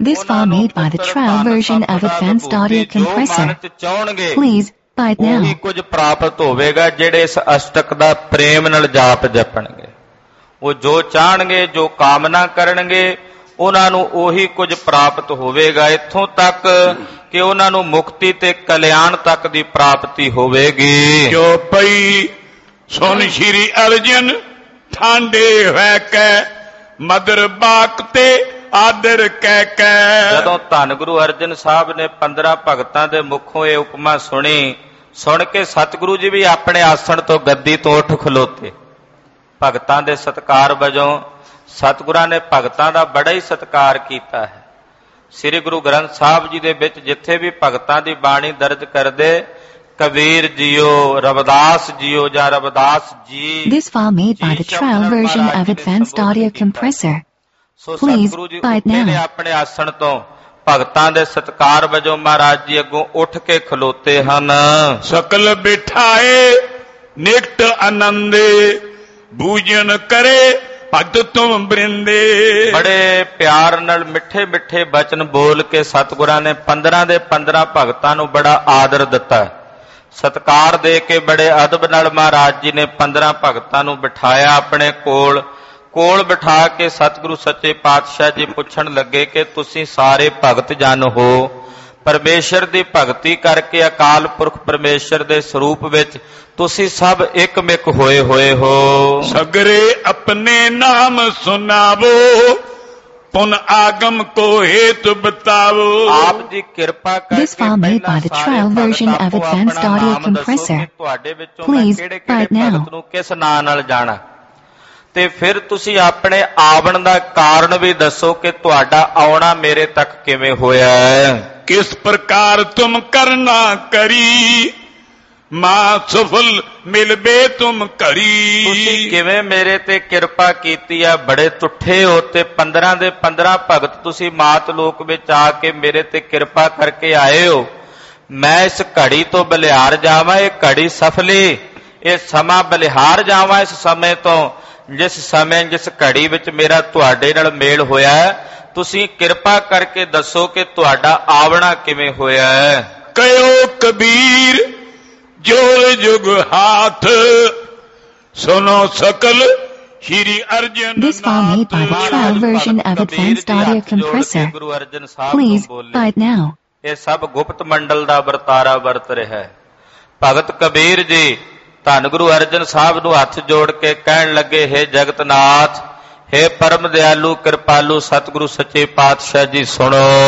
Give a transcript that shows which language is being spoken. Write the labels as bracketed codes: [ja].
[en] This file made by the trial version of advanced audio compressor. Please, bite now. [pa] ਉਹੀ ਕੁਝ ਪ੍ਰਾਪਤ ਹੋਵੇਗਾ ਜਿਹੜੇ ਇਸ ਅਸ਼ਟਕ ਦਾ ਪ੍ਰੇਮ ਨਾਲ ਜਾਪ ਜਪਣਗੇ ਉਹ ਜੋ ਚਾਹਣਗੇ ਜੋ ਕਾਮਨਾ ਕਰਨਗੇ ਉਹਨਾਂ ਨੂੰ ਉਹੀ ਕੁਝ ਪ੍ਰਾਪਤ ਹੋਵੇਗਾ ਇੱਥੋਂ ਤੱਕ ਕਿ ਉਹਨਾਂ ਨੂੰ ਮੁਕਤੀ ਤੇ ਕਲਿਆਣ ਤੱਕ ਦੀ ਪ੍ਰਾਪਤੀ ਹੋਵੇਗੀ [bra] ਜੋ ਪਈ ਸੁਣ ਸ੍ਰੀ ਅਰਜਨ ਠਾਂਡੇ ਹੋਇ ਕੈ ਮਦਰ ਬਾਕ ਤੇ ਆਦਰ ਕਹਿ ਕਹਿ [pa] ਜਦੋਂ ਧੰਨ ਗੁਰੂ ਅਰਜਨ ਸਾਹਿਬ ਨੇ 15 ਭਗਤਾਂ ਦੇ ਮੁਖੋਂ ਇਹ ਉਪਮਾ ਸੁਣੀ ਸੁਣ ਕੇ ਸਤਿਗੁਰੂ ਜੀ ਵੀ ਆਪਣੇ ਆਸਣ ਤੋਂ ਗੱਦੀ ਤੋਂ ਉੱਠ ਖਲੋਤੇ ਭਗਤਾਂ ਦੇ ਸਤਿਕਾਰ ਵਜੋਂ ਸਤਿਗੁਰਾਂ ਨੇ ਭਗਤਾਂ ਦਾ ਬੜਾ ਹੀ ਸਤਿਕਾਰ ਕੀਤਾ ਹੈ ਸ੍ਰੀ ਗੁਰੂ ਗ੍ਰੰਥ ਸਾਹਿਬ ਜੀ ਦੇ ਵਿੱਚ ਜਿੱਥੇ ਵੀ ਭਗਤਾਂ ਦੀ ਬਾਣੀ ਦਰਜ ਕਰਦੇ ਕਬੀਰ ਜੀਓ ਰਵਿਦਾਸ ਜੀਓ ਜਾਂ Ravidas ji [en] This file made by the trial version of advanced audio compressor. [pa] Satguru ji ਉੱਠੇ ਨੇ ਆਪਣੇ ਆਸਣ ਤੋਂ ਭਗਤਾਂ ਦੇ ਸਤਿਕਾਰ ਵਜੋਂ ਮਹਾਰਾਜ ਜੀ ਅੱਗੋਂ ਉੱਠ ਕੇ ਖਲੋਤੇ ਹਨ [bra] ਸਕਲ ਬਿਠਾਏ ਨਿਕਟ ਆਨੰਦ ਬੂਜਨ ਕਰੇ ਭਗਤ ਤੁਮ ਬ੍ਰਿੰਦੇ [pa] ਬੜੇ ਪਿਆਰ ਨਾਲ ਮਿੱਠੇ ਮਿੱਠੇ ਬਚਨ ਬੋਲ ਕੇ ਸਤਿਗੁਰਾਂ ਨੇ 15 ਦੇ 15 ਭਗਤਾਂ ਨੂੰ ਬੜਾ ਆਦਰ ਦਿੱਤਾ ਸਤਕਾਰ ਦੇ ਕੇ ਬੜੇ ਅਦਬ ਨਾਲ ਮਹਾਰਾਜ ਜੀ ਨੇ 15 ਭਗਤਾਂ ਨੂੰ ਬਿਠਾਇਆ ਆਪਣੇ ਕੋਲ ਕੋਲ ਬਿਠਾ ਕੇ ਸਤਿਗੁਰੂ ਸੱਚੇ ਪਾਤਸ਼ਾਹ ਜੀ ਪੁੱਛਣ ਲੱਗੇ ਕਿ ਤੁਸੀਂ ਸਾਰੇ ਭਗਤ ਜਨ ਹੋ ਪਰਮੇਸ਼ਰ ਦੀ ਭਗਤੀ ਕਰਕੇ ਅਕਾਲ ਪੁਰਖ ਪਰਮੇਸ਼ਰ ਦੇ ਸਰੂਪ ਵਿੱਚ ਤੁਸੀਂ ਸਭ ਇੱਕ ਮਿਕ ਹੋਏ ਹੋਏ ਹੋ [bra] ਸਗਰੇ ਆਪਣੇ ਨਾਮ ਸੁਣਾਵੋ ਪੁਨ ਆਗਮ ਕੋ ਹੇਤ ਬਤਾਵੋ [pa] ਆਪ ਜੀ ਕਿਰਪਾ ਕਰਕੇ [en] This file made by the trial version of advanced audio compressor. [pa] ਤੁਹਾਡੇ ਵਿੱਚੋਂ ਮੈਂ ਕਿਹੜੇ ਕਿਹੜੇ ਭਗਤ ਨੂੰ ਕਿਸ ਨਾਂ ਨਾਲ ਜਾਣਾ ਤੇ ਫਿਰ ਤੁਸੀਂ ਆਪਣੇ ਆਵਣ ਦਾ ਕਾਰਨ ਵੀ ਦੱਸੋ ਕਿ ਤੁਹਾਡਾ ਆਉਣਾ ਮੇਰੇ ਤੱਕ ਕਿਵੇਂ ਹੋਇਆ [bra] ਕਿਸ ਪ੍ਰਕਾਰ ਤੁਮ ਕਰਨਾ ਕਰੀ ਮਾਂ ਸਫਲ ਮਿਲਬੇ ਤੁਮ ਕਰੀ [pa] ਤੁਸੀਂ ਕਿਵੇਂ ਮੇਰੇ ਤੇ ਕਿਰਪਾ ਕੀਤੀ ਆ ਬੜੇ ਤੁੱਠੇ ਹੋ ਤੇ 15 ਦੇ 15 ਭਗਤ ਤੁਸੀਂ ਮਾਤ ਲੋਕ ਵਿੱਚ ਆ ਕੇ ਮੇਰੇ ਤੇ ਕਿਰਪਾ ਕਰਕੇ ਆਏ ਹੋ ਮੈਂ ਇਸ ਘੜੀ ਤੋਂ ਬਲਿਹਾਰ ਜਾਵਾਂ ਇਹ ਘੜੀ ਸਫਲੀ ਇਹ ਸਮਾਂ ਬਲਿਹਾਰ ਜਾਵਾਂ ਇਸ ਸਮੇਂ ਤੋਂ ਜਿਸ ਸਮੇਂ ਜਿਸ ਘੜੀ ਵਿੱਚ ਮੇਰਾ ਤੁਹਾਡੇ ਨਾਲ ਮੇਲ ਹੋਇਆ ਤੁਸੀਂ ਕਿਰਪਾ ਕਰਕੇ ਦੱਸੋ ਕਿ ਤੁਹਾਡਾ ਆਵਣਾ ਕਿਵੇਂ ਹੋਇਆ [bra] ਕਹਿਓ ਕਬੀਰ ਜੋ ਜੁਗ ਹਾਥ ਸੁਣੋ ਸਕਲ ਸ਼੍ਰੀ Arjan [en] This file made by the trial version of advanced audio compressor. [pa] Guru Arjan Sahib ਬੋਲੇ ਇਹ ਸਭ ਗੁਪਤ ਮੰਡਲ ਦਾ ਵਰਤਾਰਾ ਵਰਤ ਰਿਹਾ ਭਗਤ ਕਬੀਰ ਜੀ ਧੰਨ ਗੁਰੂ ਅਰਜਨ ਸਾਹਿਬ ਨੂੰ ਹੱਥ ਜੋੜ ਕੇ ਕਹਿਣ ਲੱਗੇ ਹੇ ਜਗਤ ਨਾਥ ਹੇ ਪਰਮ ਦਿਆਲੂ ਕਿਰਪਾਲੂ ਸਤਿਗੁਰੂ ਸੱਚੇ ਪਾਤਸ਼ਾਹ ਜੀ ਸੁਣੋ